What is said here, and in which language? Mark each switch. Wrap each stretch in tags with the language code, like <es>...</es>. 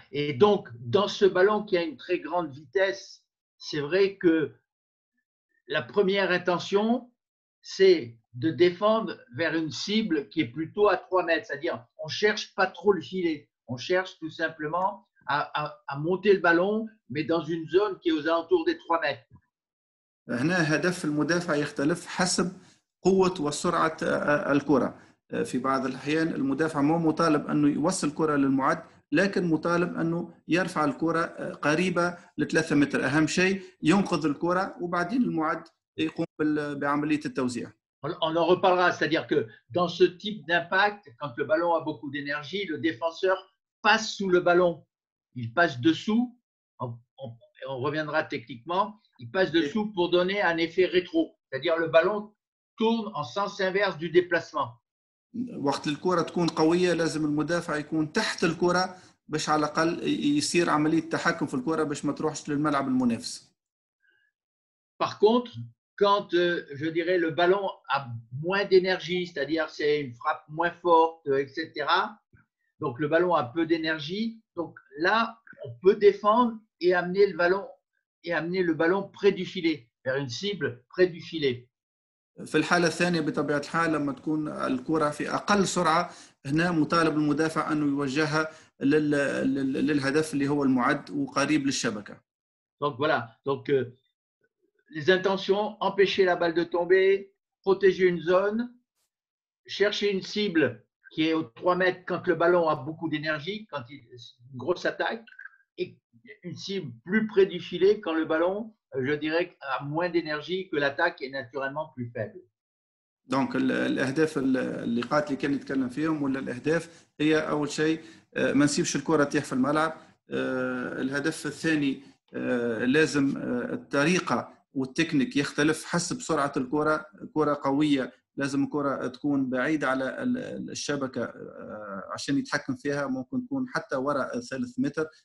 <fr>Et donc, dans ce ballon qui a une très grande vitesse, c'est vrai que la première intention, c'est de défendre vers une cible qui est plutôt à 3 mètres. C'est-à-dire, on ne cherche pas trop le filet. On cherche tout simplement à monter le ballon, mais dans une zone qui est aux alentours des 3 mètres.</fr> <ar>هنا هدف المدافع يختلف حسب قوة وسرعة الكرة. في بعض الأحيان المدافع مو مطالب أنه يوصل الكرة للمعد لكن مطالب أنه يرفع الكرة قريبة لثلاثة متر. أهم شيء ينقذ الكرة وبعدين المعد يقوم بعملية التوزيع.</ar> <fr>On en reparlera, c'est-à-dire que dans ce type d'impact, quand le ballon a beaucoup d'énergie, le défenseur passe sous le ballon, il passe dessous, on reviendra techniquement, il passe dessous pour donner un effet rétro, c'est-à-dire le ballon tourne en sens inverse du déplacement.</fr> <ar>وقت الكره تكون قويه لازم المدافع يكون تحت الكره باش على الاقل يصير عمليه تحكم في الكره باش ما تروحش للملعب المنافس.</ar> <fr>Par contre, quand je dirais le ballon a moins d'énergie, c'est-à-dire c'est une frappe moins forte, etc. Donc le ballon a peu d'énergie, donc là on peut défendre et amener le ballon près du filet, vers une cible près du filet.</fr> <ar>في الحالة الثانية بطبيعة الحال لما تكون الكرة في أقل سرعة هنا مطالب المدافع أن يوجهها للهدف اللي هو المعد وقريب للشبكة.</ar> <fr>Donc voilà, donc les intentions, empêcher la balle de tomber, protéger une zone, chercher une cible qui est aux 3 mètres quand le ballon a beaucoup d'énergie, quand il c'est une grosse attaque, et une cible plus près du filet quand le ballon, je dirais, a moins d'énergie, que l'attaque est naturellement plus faible. Donc, l'</fr> <ar>اهداف اللي قاعد اللي كان يتكلم فيهم ولا الاهداف هي اول شيء ما نسيبش الكره تطيح في الملعب. الهدف الثاني لازم الطريقه والتكنيك يختلف حسب سرعه الكره. كره قويه لازم الكره تكون بعيده على الشبكه عشان يتحكم فيها، ممكن تكون حتى وراء ثالث متر.</ar>